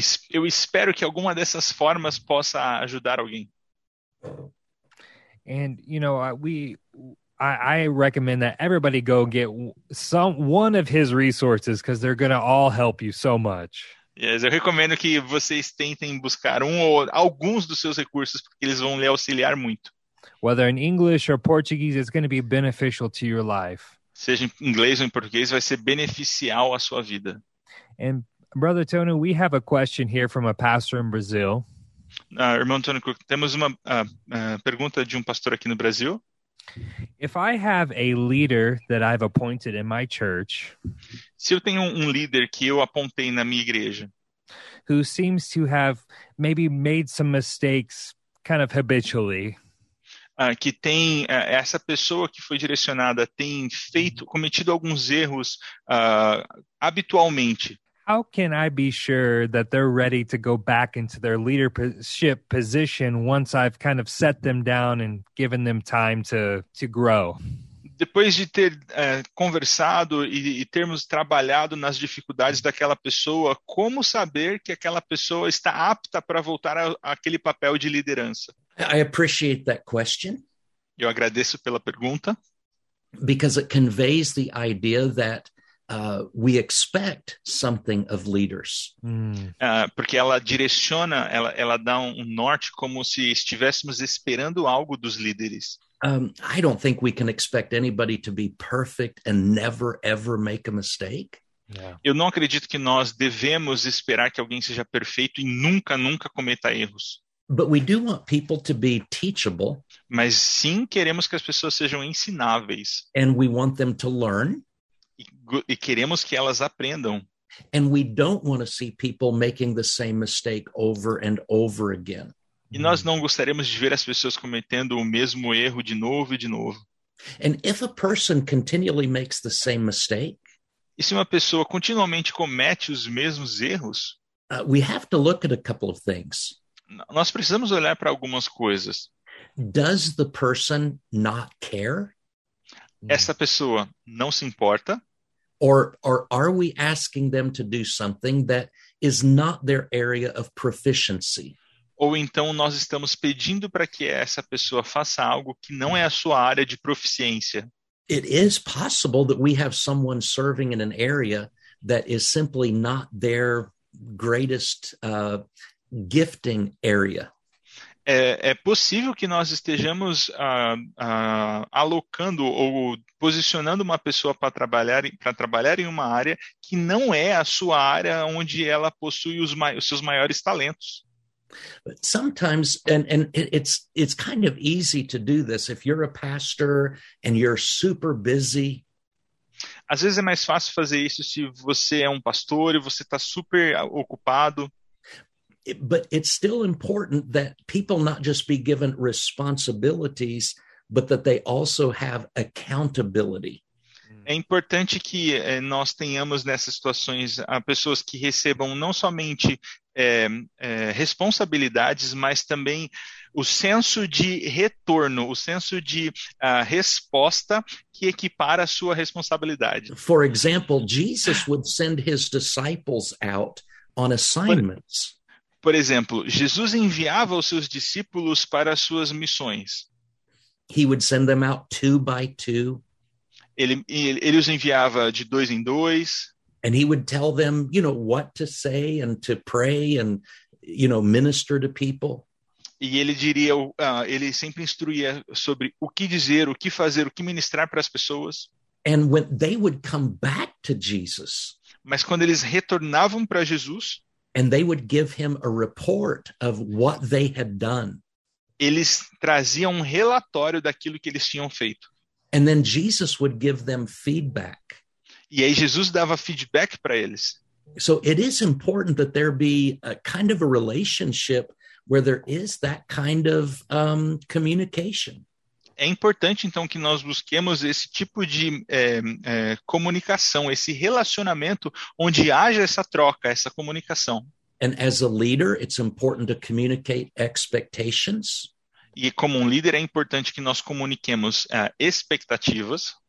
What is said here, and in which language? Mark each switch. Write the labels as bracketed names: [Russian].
[Portuguese] Eu espero que alguma dessas formas possa ajudar alguém. [English] And, you know, I recommend that everybody go get one of his resources because they're going to all help you so much. Yes, [Portuguese] eu recomendo que vocês tentem buscar um ou alguns dos seus recursos porque eles vão lhe auxiliar muito. [English] Whether in English or Portuguese, it's going to be beneficial to your life. [Portuguese] Seja em inglês ou em português, vai ser beneficial à sua vida. [English] And Brother Tony, we have a question here from a pastor in Brazil. [Portuguese] Irmão Tony Cook, temos uma pergunta de um pastor aqui no Brasil. [English] If I have a leader that I've appointed in my church, [Portuguese] se eu tenho um líder que eu apontei na minha igreja, [English] who seems to have maybe made some mistakes kind of habitually, [Portuguese] que tem essa pessoa que foi direcionada tem feito, cometido alguns erros habitualmente. [English] How can I be sure that they're ready to go back into their leadership position once I've kind of set them down and given them time to grow? [Portuguese] Depois de ter conversado e termos trabalhado nas dificuldades daquela pessoa, como saber que aquela pessoa está apta para voltar àquele papel de liderança? [English] I appreciate that question. [Portuguese] Eu agradeço pela pergunta. [English] Because it conveys the idea that we expect something of leaders. [Portuguese] Porque ela direciona, ela dá um norte como se estivéssemos esperando algo dos líderes. [English] I don't think we can expect anybody to be perfect and never ever make a mistake. [Portuguese] Eu não acredito que nós devemos esperar que alguém seja perfeito e nunca, nunca cometa erros. [English] But we do want people to be teachable. [Portuguese] Mas sim, queremos que as pessoas sejam ensináveis. [English] And we want them to learn. [Portuguese] E queremos que elas aprendam. [English] And we don't want to see people making the same mistake over and over again. [Portuguese] E nós não gostaríamos de ver as pessoas cometendo o mesmo erro de novo e de novo. [English] And if a person continually makes the same mistake, [Portuguese] e se uma pessoa continuamente comete os mesmos erros, [English] we have to look at a couple of things. [Portuguese] Nós precisamos olhar para algumas coisas. [English] Does the person not care? [Portuguese] Essa pessoa não se importa? [English] Or are we asking them to do something that is not their area of proficiency? [Portuguese] Ou então nós estamos pedindo para que essa pessoa faça algo que não é a sua área de proficiência. [English] It is possible that we have someone serving in an area that is simply not their greatest gifting area. [Portuguese] É possível que nós estejamos alocando ou posicionando uma pessoa para trabalhar em uma área que não é a sua área onde ela possui os seus maiores talentos. [English] Sometimes, and it's kind of easy to do this if you're a pastor and you're super busy. [Portuguese] Às vezes é mais fácil fazer isso se você é um pastor e você está super ocupado. [English] But it's still important that people not just be given responsibilities, but that they also have accountability. [Portuguese] É importante que nós tenhamos nessas situações pessoas que recebam não somente responsabilidades, mas também o senso de retorno, o senso de resposta que equipara a sua responsabilidade. [English] For example, Jesus would send his disciples out on assignments. [Portuguese] Por exemplo, Jesus enviava os seus discípulos para as suas missões. [English] He would send them out two by two. [Portuguese] Ele os enviava de dois em dois. [English] And he would tell them, you know, what to say and to pray and, you know, minister to people. [Portuguese] E ele diria, ele sempre instruía sobre o que dizer, o que fazer, o que ministrar para as pessoas. [English] And when they would come back to Jesus, [Portuguese] mas quando eles retornavam para Jesus, [English] and they would give him a report of what they had done, [Portuguese] eles traziam um relatório daquilo que eles tinham feito. [English] And then Jesus would give them feedback. [Portuguese] E aí Jesus dava feedback para eles. [English] So it is important that there be a kind of a relationship where there is that kind of communication. [Portuguese] É importante, então, que nós busquemos esse tipo de comunicação, esse relacionamento onde haja essa troca, essa comunicação. [English] And as a leader, it's important to communicate expectations. [Portuguese] E como um líder, é importante que nós comuniquemos expectativas.